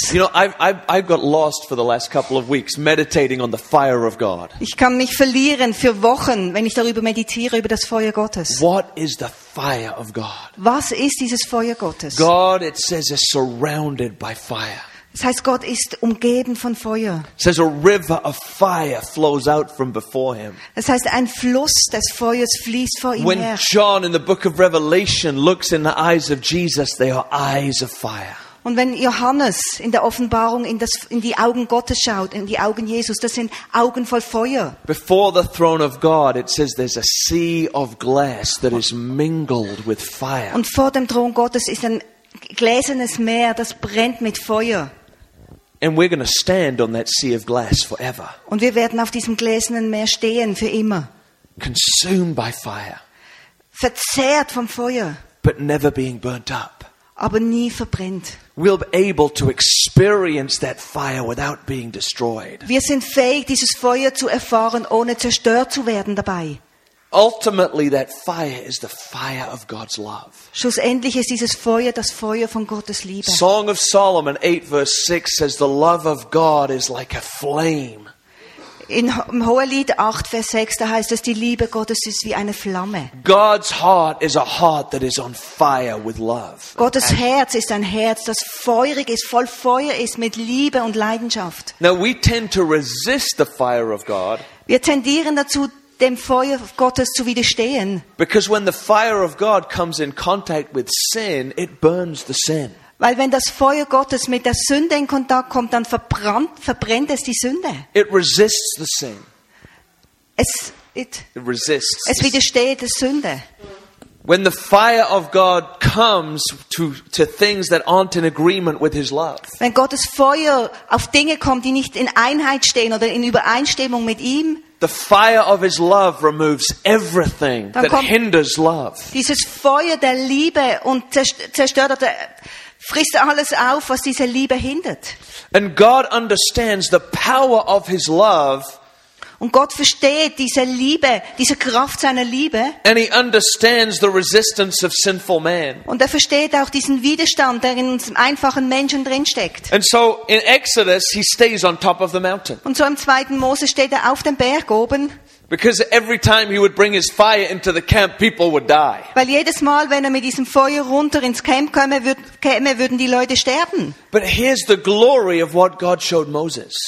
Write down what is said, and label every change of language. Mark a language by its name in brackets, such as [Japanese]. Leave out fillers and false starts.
[English] You know, I've got lost for the last couple of weeks meditating on the fire of God. [German] Ich kann mich verlieren für Wochen, wenn ich darüber meditiere über das Feuer Gottes. [English] What is the fire of God? [German] Was ist dieses Feuer Gottes? [English] God, it says, is surrounded by fire. [German] Das heißt, Gott ist umgeben von Feuer. [English] It says a river of fire flows out from before him. [German] Das heißt, ein Fluss des Feuers fließt vor ihm [English] when her. When John in the book of Revelation looks in the eyes of Jesus, they are eyes of fire. [German] Und wenn Johannes in der Offenbarung in die Augen Gottes schaut, in die Augen Jesus, das sind Augen voll Feuer. [English] Before the throne of God, it says there's a sea of glass that is mingled with fire. [German] Und vor dem Thron Gottes ist ein gläsernes Meer, das brennt mit Feuer. [English] And we're going to stand on that sea of glass forever. [German] Und wir werden auf diesem gläsernen Meer stehen für immer. [English] Consumed by fire. [German] Verzehrt vom Feuer. [English] But never being burnt up. [German] Aber nie verbrennt. [English] We'll be able to experience that fire without being destroyed. [German] Wir sind fähig, dieses Feuer zu erfahren, ohne zerstört zu werden dabei. [English] Ultimately, that fire is the fire of God's love. [German] Schlussendlich ist dieses Feuer das Feuer von Gottes Liebe. [English] Song of Solomon 8 verse 6 says the love of God is like a flame. [German] In Hohelied 8 verse 6 da heißt es, die Liebe Gottes ist wie eine Flamme. [English] God's heart is a heart that is on fire with love. [German] Gottes Herz ist ein Herz, das feurig ist, voll Feuer ist mit Liebe und Leidenschaft. [English] Now we tend to resist the fire of God. [German] Wir tendieren dazu, dem Feuer Gottes zu widerstehen. [English] Because when the fire of God comes in contact with sin, it burns the sin. [German] Weil wenn das Feuer Gottes mit der Sünde in Kontakt kommt, dann verbrennt es die Sünde. [English] It resists the sin. [German] Es widersteht der Sünde. [English] When the fire of God comes to things that aren't in agreement with his love. [German] Wenn Gottes Feuer auf Dinge kommt, die nicht in Einheit stehen oder in Übereinstimmung mit ihm, [English] the fire of his love removes everything that hinders love. [German] Dieses Feuer der Liebe und zerstört frisst alles auf, was diese Liebe hindert. [English] And God understands the power of his love. [German] Und Gott versteht diese Liebe, diese Kraft seiner Liebe. [English] And he understands the resistance of sinful man. [German] Und er versteht auch diesen Widerstand, der in unserem einfachen Menschen drin steckt. [English] And so in Exodus he stays on top of the mountain. [German] Und so im zweiten Mose steht er auf dem Berg oben. [English] Because every time he would bring his fire into the camp, people would die. [German] Weil jedes Mal, wenn er mit diesem Feuer runter ins Camp käme, würden die Leute sterben. [English] But here's the glory of what God showed Moses.